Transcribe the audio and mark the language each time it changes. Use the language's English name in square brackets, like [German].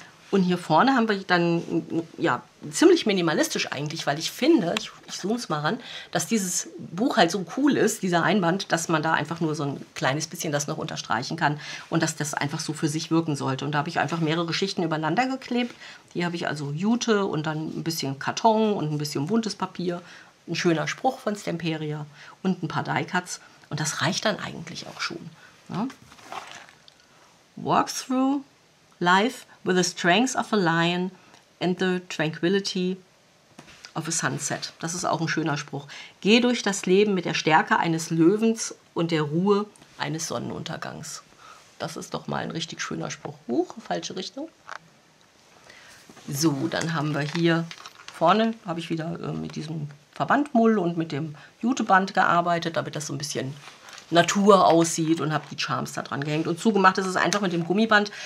[German] Und hier vorne haben wir dann, ja, ziemlich minimalistisch eigentlich, weil ich finde, ich zoome es mal ran, dass dieses Buch halt so cool ist, dieser Einband, dass man da einfach nur so ein kleines bisschen das noch unterstreichen kann und dass das einfach so für sich wirken sollte. Und da habe ich einfach mehrere Schichten übereinander geklebt. Die habe ich also Jute und dann ein bisschen Karton und ein bisschen buntes Papier, ein schöner Spruch von Stamperia und ein paar Die-Cuts. Und das reicht dann eigentlich auch schon. Ja. [English] Walkthrough, Life with the strength of a lion and the tranquility of a sunset. [German] Das ist auch ein schöner Spruch. Geh durch das Leben mit der Stärke eines Löwens und der Ruhe eines Sonnenuntergangs. Das ist doch mal ein richtig schöner Spruch. Huch, falsche Richtung. So, dann haben wir hier vorne, habe ich wieder mit diesem Verbandmull und mit dem Juteband gearbeitet, damit das so ein bisschen Natur aussieht und habe die Charms da dran gehängt. Und zugemacht ist es einfach mit dem Gummiband.